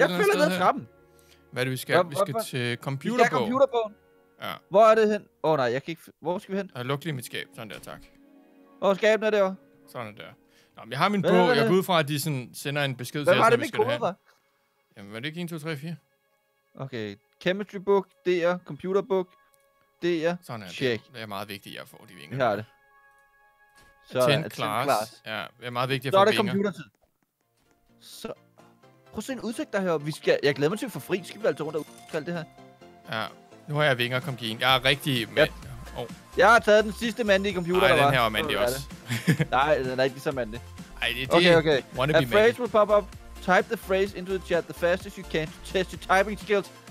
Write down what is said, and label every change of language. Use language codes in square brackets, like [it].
[da] Jeg følger ned trappen. Hvad er det, vi skal? Vi skal til computerbogen. Ja. Hvor er det hen? Åh nej, jeg kan ikke... Hvor skal vi hen? Jeg lukker lige mit skab. Sådan der, tak. Hvor skabene er det jo? Sådan der. Nå, men jeg har min bog. Jeg går ud fra, at de sådan sender en besked hvad til os, når vi skal derhen. Hvad var det, min kode? Jamen, var det ikke 1, 2, 3, 4? Okay. [en] Chemistry book, DR, computer book, DR, [da] sådan her, check. Det er meget vigtigt, at jeg får de vinger. Jeg har det. [en] Attend class. [da] Ja, det er meget vigtigt, at så få vinger. Så er det computertid. Så... Prøv at se en udsigt der heroppe. Jeg glæder mig til at få fri. Skal vi altid rundt og udkalde det her? Ja, nu har jeg vinger, kom gen. Jeg er rigtig mand. Yep. Oh. Jeg har taget den sidste mandlige computer, der var. Nej, den her var mandlig også. Nej, den er ikke så mandlig. Ej, det er [en] okay. [da] Wannabe mandlig. [en] A phrase will pop up. Type the phrase into the chat the fastest you can to test your typing skills.